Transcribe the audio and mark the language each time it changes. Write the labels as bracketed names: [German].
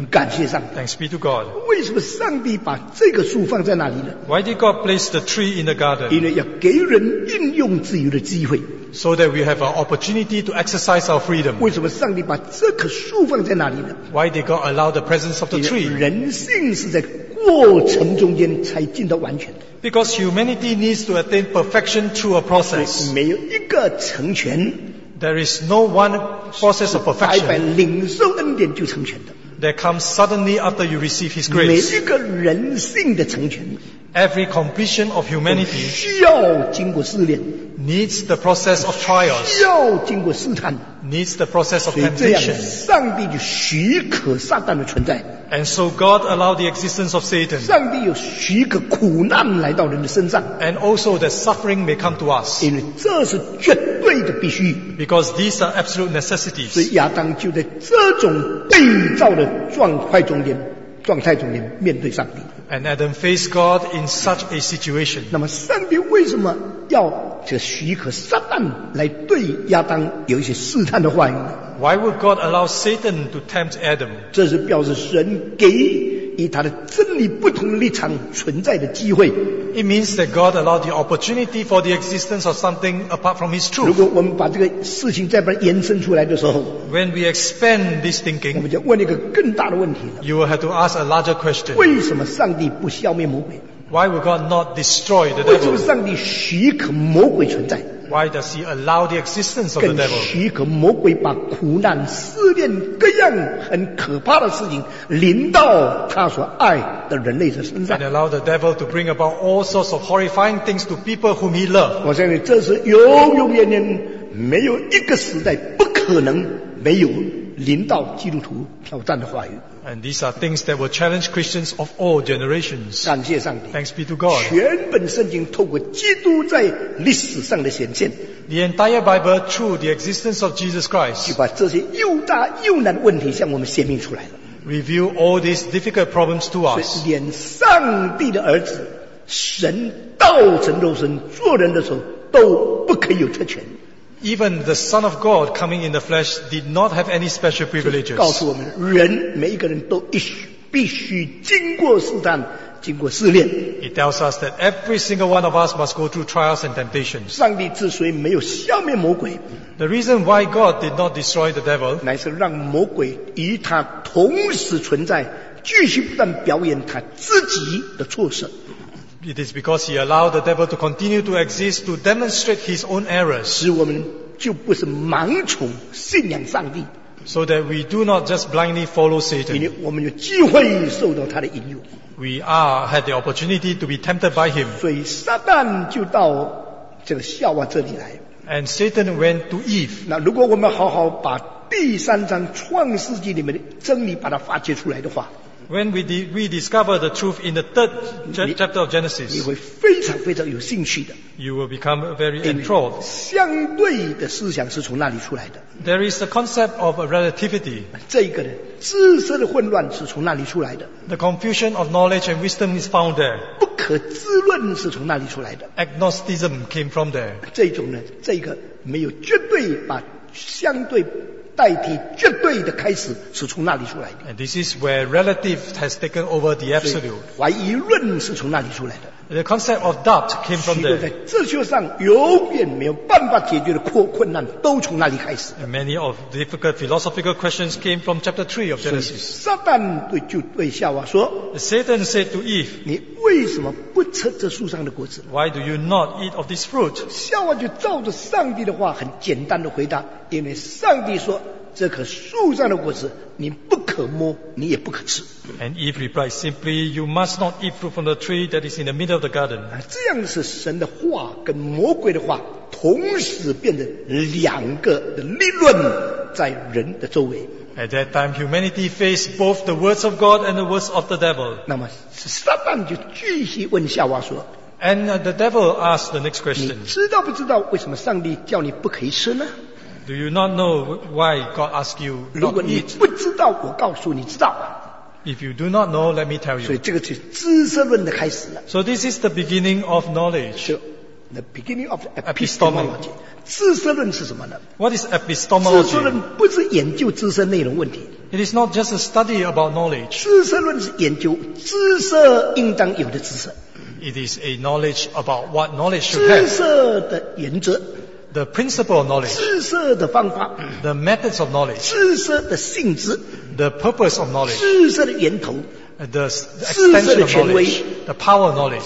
[Chinese] 感谢上帝。 [English] Thanks be to God. [Chinese] 为什么上帝把这个树放在那里呢？ [English] Why did God place the tree in the garden? [Chinese] 因为要给人应用自由的机会。 [English] So that we have an opportunity to exercise our freedom. [Chinese] 为什么上帝把这棵树放在那里呢？ [English] Why did God allow the presence of the tree? [Chinese] 人性是在过程中间才进到完全。 [English] Because humanity needs to attain perfection through a process. [Chinese] 没有一个成全。 [English] There is no one process of perfection. [Chinese] 白白领受恩典就成全的。 [English] That comes suddenly after you receive His grace. [Chinese] 没一个人性的成全。 [English] Every completion of humanity [Chinese] 需要经过试炼 [English] needs the process of trials [Chinese] 需要经过试探 [English] needs the process of temptation [Chinese] 上帝就许可撒旦的存在 [English] and so God allowed the existence of Satan [Chinese] 上帝又许可苦难来到人的身上 [English] and also that suffering may come to us [Chinese] 因为这是绝对的必须 [English] because these are absolute necessities [Chinese] 所以亚当就在这种被造的状态中间面对上帝 [English] And Adam faced God in such a situation. [Chinese] 那么上帝为什么要这许可撒旦来对亚当有一些试探的话语呢？ [English] Why would God allow Satan to tempt Adam? [Chinese] 这是表示神给与他的真理不同立场存在的机会。 [English] It means that God allowed the opportunity for the existence of something apart from His truth. [Chinese] 如果我们把这个事情再把它延伸出来的时候 [English] ，When we expand this thinking， [Chinese] 我们就问一个更大的问题了。 [English] You will have to ask a larger question. [Chinese] 为什么上帝不消灭魔鬼 [English] ？Why would God not destroy the devil？ [Chinese] 为什么上帝许可魔鬼存在 [English] ？Why does He allow the existence of the devil？ [Chinese] 更许可魔鬼把苦难、试炼各样很可怕的事情临到他所爱。的人类的身上 [English] and allow the devil to bring about all sorts of horrifying things to people whom he loved [Chinese] 我相信这是永永远远没有一个时代不可能没有临到基督徒挑战的话语。 [English] And these are things that will challenge Christians of all generations. [Chinese] 感谢上帝。 [English] Thanks be to God. [Chinese] 全本圣经透过基督在历史上的显现。 [English] The entire Bible through the existence of Jesus Christ. [Chinese] 就把这些又大又难的问题向我们显明出来了。 [English] Reveal all these difficult problems to us. [Chinese] 连上帝的儿子，神道成肉身做人的时候，都不可以有特权。 [English] Even the Son of God coming in the flesh did not have any special privileges. [Chinese] 告诉我们，人每一个人都必须经过试探，经过试炼。 [English] It tells us that every single one of us must go through trials and temptations. [Chinese] 上帝之所以没有消灭魔鬼 [English] ，The reason why God did not destroy the devil， [Chinese] 乃是让魔鬼与他同时存在，继续不断表演他自己的错事。 [English] It is because he allowed the devil to continue to exist to demonstrate his own errors. [Chinese] 使我们就不是盲从信仰上帝。 [English] So that we do not just blindly follow Satan. [Chinese] 因为我们有机会受到他的引诱。 [English] We had the opportunity to be tempted by him. [Chinese] 所以撒旦就到这个夏娃这里来。 [English] And Satan went to Eve. [Chinese] 那如果我们好好把第三章创世纪里面的真理把它发掘出来的话， [English] When we discover the truth in the third chapter of Genesis, [Chinese] 你会非常非常有兴趣的。 [English] You will become very enthralled. [Chinese] 相对的思想是从那里出来的。 [English] There is the concept of a relativity. [Chinese] 这个呢，知识的混乱是从那里出来的。 [English] The confusion of knowledge and wisdom is found there. [Chinese] 不可知论是从那里出来的。 [English] Agnosticism came from there. [Chinese] 这种呢，这个没有绝对把相对代替绝对的开始是从那里出来的。 [English] And this is where relative has taken over the absolute. [Chinese] 怀疑论是从那里出来的。 [English] The concept of doubt came from there. [Chinese] 许多在哲学上永远没有办法解决的困难都从那里开始。 [English] And many of difficult philosophical questions came from chapter 3 of Genesis. [Chinese] 撒旦对夏娃说， [English] Satan said to Eve, [Chinese] 你为什么不吃这树上的果子？ [English] Why do you not eat of this fruit? [Chinese] 夏娃就照着上帝的话很简单的回答，因为上帝说这棵树上的果子你不可摸，你也不可吃。 [English] And Eve replied simply, "You must not eat fruit from the tree that is in the middle of the garden." [Chinese] 这样是神的话跟魔鬼的话同时变成两个的立论在人的周围。 [English] At that time, humanity faced both the words of God and the words of the devil. [Chinese] 那么撒旦就继续问夏娃说， [English] And the devil asked the next question. [Chinese] 你知道不知道为什么上帝叫你不可以吃呢？ [English] Do you not know why God asks you not to eat? [Chinese] 如果你不知道，我告诉你知道。 [English] If you do not know, let me tell you. [Chinese] 所以这个是知识论的开始了。 [English] So this is the beginning of knowledge. The beginning of epistemology. [Chinese] 知识论是什么呢？ [English] What is epistemology? [Chinese] 知识论不是研究知识内容问题。 [English] It is not just a study about knowledge. [Chinese] 知识论是研究知识应当有的知识。 [English] It is a knowledge about what knowledge should have. [Chinese] 知识的原则。 [English] The principle of knowledge, [Chinese] 知识的方法, [English] the methods of knowledge, [Chinese] 知识的性质, [English] the purpose of knowledge, [Chinese] 知识的源头, [English] the extension of knowledge, [Chinese] 知识的权威, [English] the power of knowledge,